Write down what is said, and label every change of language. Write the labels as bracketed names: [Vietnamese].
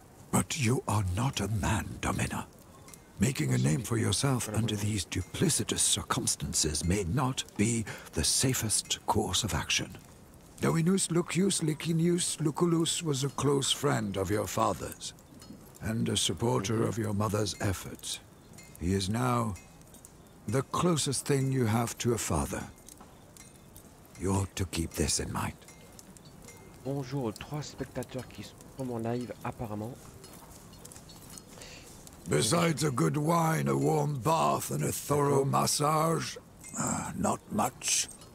[English] But you are not a man, Domina. Making a name for yourself under these duplicitous circumstances may not be the safest course of action. Doinus Lucius Licinius Lucullus was a close friend of your father's, and a supporter of your mother's efforts. He is now the closest thing you have to a father. You ought to keep this in mind. [French] Bonjour aux trois spectateurs qui sont en live apparemment. [English] Besides a good wine, a warm bath, and a thorough massage, not much.